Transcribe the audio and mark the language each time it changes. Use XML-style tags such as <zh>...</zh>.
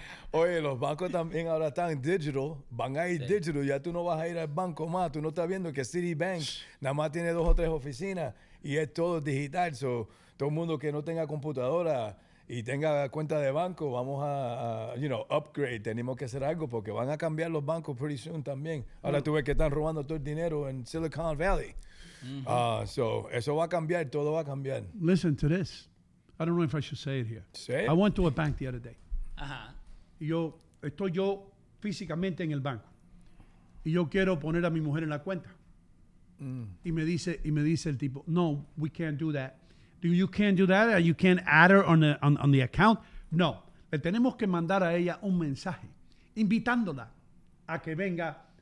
<es>Oye, los bancos también ahora están digital, van a ir digital, ya tú no vas a ir al banco más, tú no estás viendo que Citibank nada más tiene dos o tres oficinas y es todo digital, so, todo el mundo que no tenga computadora y tenga cuenta de banco, vamos a upgrade, tenemos que hacer algo porque van a cambiar los bancos</es> <en>pretty soon</en> <es>también. Ahora tú ves que están robando todo el dinero en Silicon Valley. Mm-hmm. So, eso va a cambiar, todo va a cambiar.</es> <en>Listen to this. I don't know if I should say it here. Say it. I went to a bank the other day. Uh-huh.</en> <es>Estoy físicamente en el banco y yo quiero poner a mi mujer en la cuenta. Y me dice el tipo, no,</es> <en>we can't do that. Do you can't do that? You can't add her on the account? No.</en> <es>Le tenemos que mandar a ella un mensaje invitándola a que venga.</es>